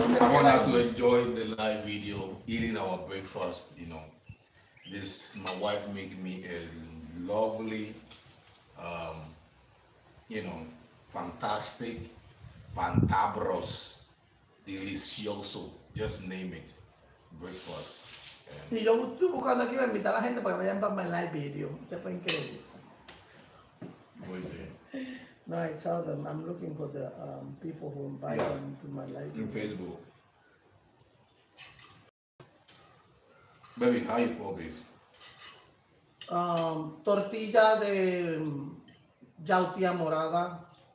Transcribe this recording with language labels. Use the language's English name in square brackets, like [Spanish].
[English] I want us to enjoy the live video, eating our breakfast, you know. This, my wife made me a lovely, you know, fantastic, fantabros, delicioso, just name it, breakfast. [Spanish] Y yo estoy buscando aquí para invitar a la gente para que vayan para mi live video. Ustedes pueden creer eso. [English] No, I tell them I'm looking for the people who invite them to my live video. In Facebook. Baby, how you call this? [Spanish] Tortilla de yautía morada.